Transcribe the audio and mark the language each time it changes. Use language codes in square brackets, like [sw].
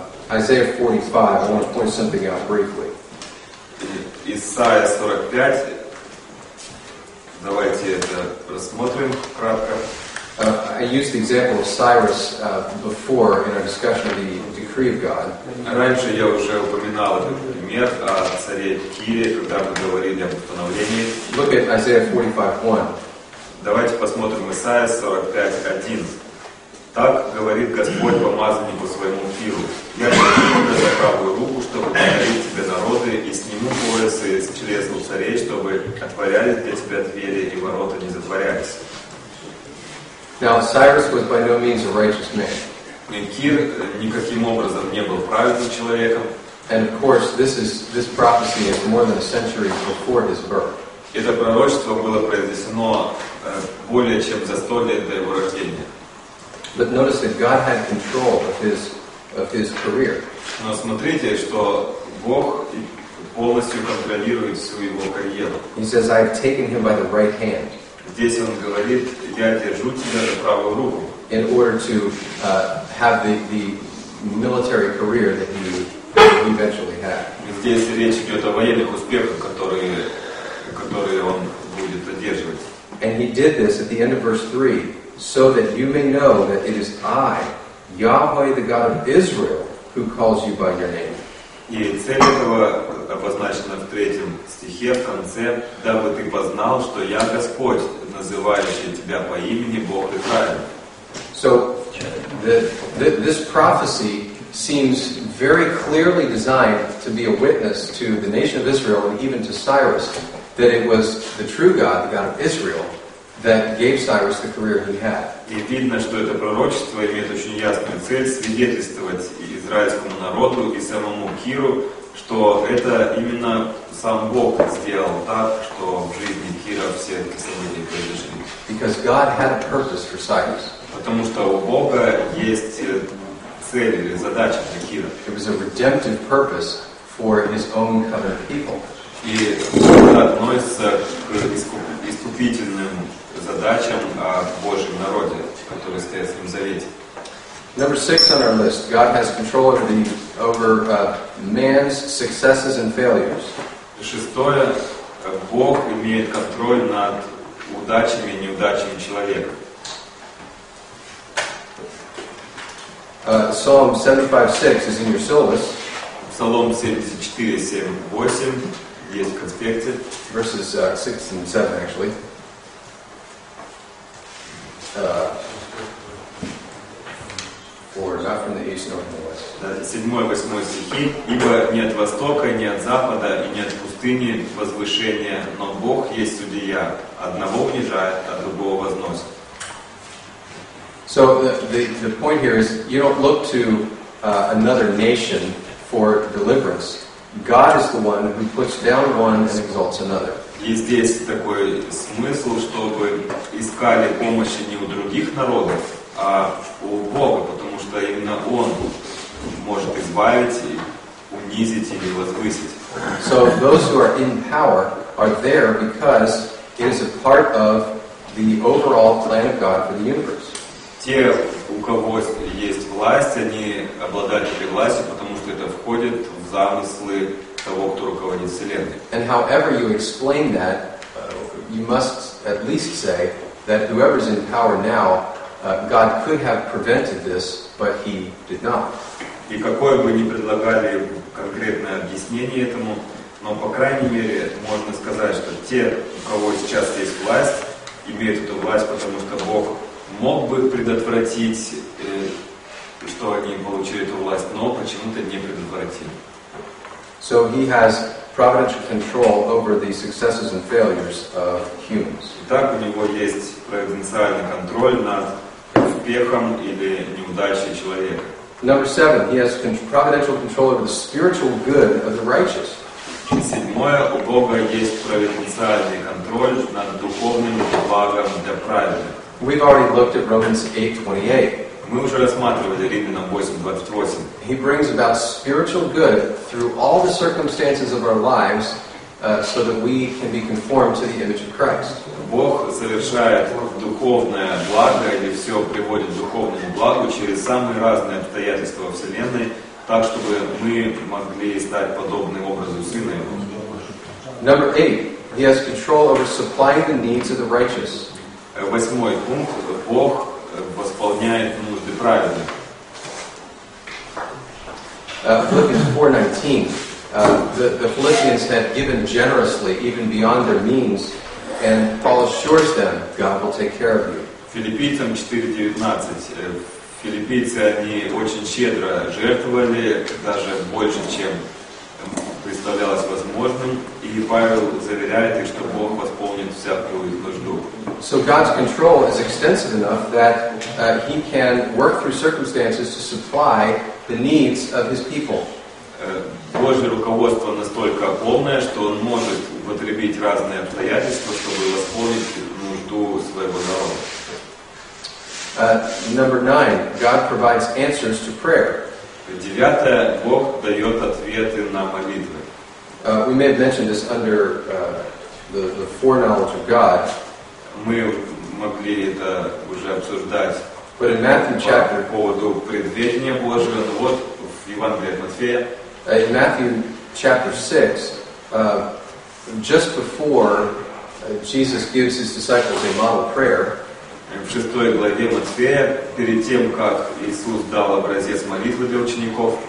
[en] Isaiah 45, I want to point something out briefly. [ru] Исайя 45, давайте это рассмотрим кратко. [en] I used the example of Cyrus before in our discussion of the decree of God. [ru] Раньше я уже упоминал этот пример о царе Кире, когда мы говорили о постановлении. [en] Look at Isaiah 45:1. [ru] Давайте посмотрим Исайя 45:1. Так говорит Господь помазаннику своему Киру: Я возьму тебя за правую руку, чтобы покорить тебе народы, и сниму поясы с чрез у царей, чтобы отворялись для тебя двери и ворота не затворялись. [en] Now Cyrus was by no means a righteous man. [ru] Кир никаким образом не был праведным человеком. [en] And of course, this prophecy is more than a century before his birth. [ru] Это пророчество было произнесено более чем за 100 лет до его рождения. [en] But notice that God had control of his career. [ru] Но смотрите, что Бог полностью контролирует всю его карьеру. [en] He says, "I have taken him by the right hand." [ru] Здесь он говорит: Я держу тебя за правую руку. [en] In order to have the military career that he eventually had. [ru] Здесь речь идет о военных успехах, которые он будет одерживать. [en] And he did this at the end of verse 3, so that you may know that it is I, Yahweh, the God of Israel, who calls you by your name. [ru] И цель этого обозначена в третьем стихе, в конце, дабы ты познал, что я Господь, называющий тебя по имени Бог Израиль. [en] So, this prophecy seems very clearly designed to be a witness to the nation of Israel and even to Cyrus, that it was the true God, the God of Israel, that gave Cyrus the career he had. [ru] И видно, что это пророчество имеет очень ясную цель свидетельствовать израильскому народу и самому Киру, что это именно сам Бог сделал так, что в жизни Кира все эти события произошли. [en] Because God had a purpose for Cyrus. [ru] Потому что у Бога есть цель или задача для Кира. [en] It was a redemptive purpose for his own covenant people. [ru] И это относится к искупительным задачам о Божьем народе, который стоит в своем завете. [en] Number six on our list. God has control over man's successes and failures. [ru] Шестое. Бог имеет контроль над удачами и неудачами человека. [en] Psalm 75:6 is in your syllabus. [ru] Псалом 74:7-8 есть в конспекте. [en] Verses 6 and 7 actually. Or not from the east nor from the west. [ru] 7-8 стихи. Ибо не от востока, не от запада и не от пустыни возвышение, но Бог есть судья. Одного унижает, а другого возносит. [en] So the point here is you don't look to another nation for deliverance. God is the one who puts down one and exalts another. [ru] И здесь такой смысл, чтобы искали помощи не у других народов, а у Бога, потому что именно Он может избавить, унизить или возвысить. [en] So those who are in power are there because it is a part of the overall plan of God for the universe. [ru] Те, у кого есть власть, они обладатели власти, потому что это входит в замыслы того, кто руководит вселенной. [en] And however you explain that, you must at least say that whoever's in power now, God could have prevented this, but he did not. [ru] И какое бы ни предлагали конкретное объяснение этому, но по крайней мере можно сказать, что те, у кого сейчас есть власть, имеют эту власть, потому что Бог мог бы предотвратить, что они получили эту власть, но почему-то не предотвратил. [en] So he has providential control over the successes and failures of humans. [ru] Итак, у него есть провиденциальный контроль над успехом или неудачей человека. [en] Number seven, he has providential control over the spiritual good of the righteous. [ru] Седьмое, у Бога есть провиденциальный контроль над духовным благом для праведных. [en] We've already looked at Romans 8:28. [ru] Мы уже рассматривали Римлянам 8:28. [en] He brings about spiritual good through all the circumstances of our lives, so that we can be conformed to the image of Christ. [ru] Бог совершает духовное благо или все приводит к духовному благу через самые разные обстоятельства во вселенной, так чтобы мы могли стать подобны образу Сына Его. [en] Number eight, He has control over supplying the needs of the righteous. [ru] Восьмой пункт. Бог восполняет нужды праведных. [en] Philippians 4:19. The Philippians had given generously, even beyond their means, and Paul assures them, God will take care of you. [ru] Филиппийцам 4:19. Филиппийцы, они очень щедро жертвовали, даже больше, чем представлялось возможным, и Павел заверяет их, что Бог восполнит всякую их нужду. [en] So God's control is extensive enough that he can work through circumstances to supply the needs of his people. [ru] Божье руководство настолько полное, что он может употребить разные обстоятельства, чтобы восполнить нужду своего народа. [en] Number nine, God provides answers to prayer. [ru] Девятое, Бог дает ответы на молитвы. [en] We may have mentioned this under the foreknowledge of God. [ru] Мы могли это уже обсуждать. [en] But in Matthew chapter, [ru] по поводу предвидения Божьего, но вот в Евангелии от Матфея. [en] In Matthew chapter 6, just before Jesus gives his disciples a model prayer, [ru] в шестой главе Матфея, перед тем, как Иисус дал образец молитвы для учеников,